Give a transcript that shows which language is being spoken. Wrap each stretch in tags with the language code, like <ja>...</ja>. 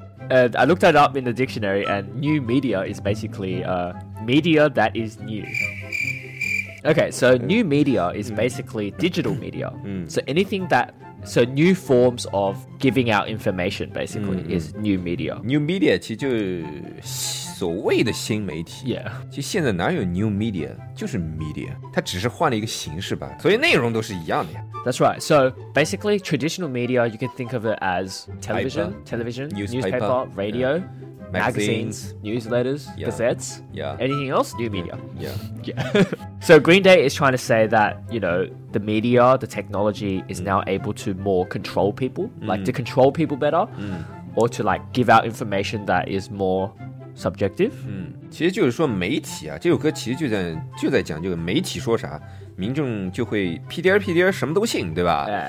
<en>And I looked it up in the dictionary, and new media is basically media that is new. Okay, so new media is basically digital media. So anything that... So new forms of giving out information, basically, is new media.</en> <zh>New media 其实就是所谓的新媒体。</zh> <en>Yeah.</en> <zh>其实现在哪有 new media? 就是 media. 它只是换了一个形式吧。所以内容都是一样的呀。</zh> <en>That's right. So basically, traditional media, you can think of it as television, newspaper, radio,、 yeah. magazines, newsletters, gazettes,、 yeah. anything else, new media. Yeah. Yeah. So Green Day is trying to say that, you know, the media, the technology is now able to more control people, like to control people better, or to like give out information that is more subjective.、</en> <zh>其实就是说媒体啊，这首歌其实就在讲，就是媒体说啥。民众就会屁颠屁颠什么都信，对吧？</zh>